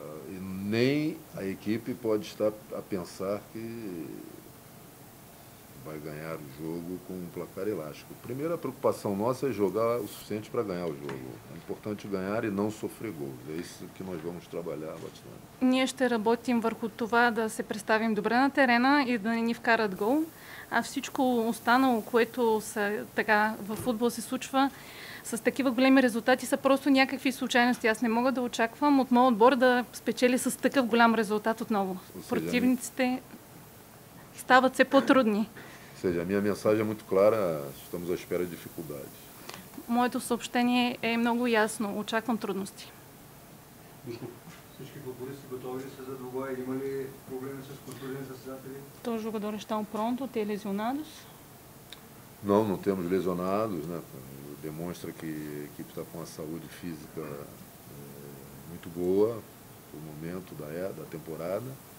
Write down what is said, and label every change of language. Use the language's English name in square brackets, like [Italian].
[Bulgarian] И [Portuguese] nem a equipe pode estar a pensar que vai ganhar o jogo com um placar elástico. Primeiro, a preocupação nossa é jogar o suficiente para ganhar o jogo. É importante ganhar e não sofrer gols. É isso que nós vamos trabalhar, Batistano. [Bulgarian] Ние ще работим върху това да се представим добре на терена и да не ни вкарат гол. А всичко останало, което са, така, в футбол се случва с такива големи резултати, са просто някакви случайности. Аз не мога да очаквам от моят отбор да спечели с такъв голям резултат отново. Противниците стават все по-трудни. [Portuguese] Seja, a minha mensagem é muito clara, estamos à espera de dificuldades. [Bulgarian] Моето съобщение е много ясно, очаквам трудности. Всички футболисти са готови за двубоя, има ли проблеми с контузионни състезатели? [Portuguese] Todos os jogadores estão prontos, têm lesionados? Não, não temos lesionados, né? Demonstra que a equipe está com a saúde física muito boa no momento da temporada.